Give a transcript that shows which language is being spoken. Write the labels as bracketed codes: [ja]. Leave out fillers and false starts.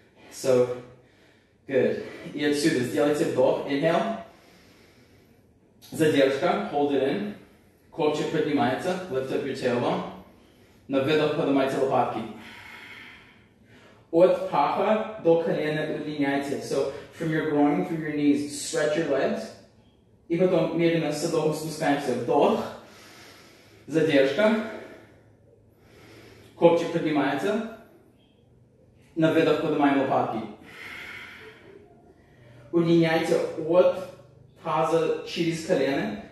[en] So, good. [ru] И отсюда сделайте вдох, [en] inhale. [ru] Задержка, [en] hold it in. [ru] Копчик поднимается, [en] lift up your tailbone. [ru] На выдох поднимайте лопатки. От паха до колена удлиняйте. [en] So, from your groin through your knees, stretch your legs. [ru] И потом медленно с вдохом спускаемся. Вдох. Задержка. Копчик поднимается. На выдох поднимаем лопатки. Удлиняйте от таза через колено.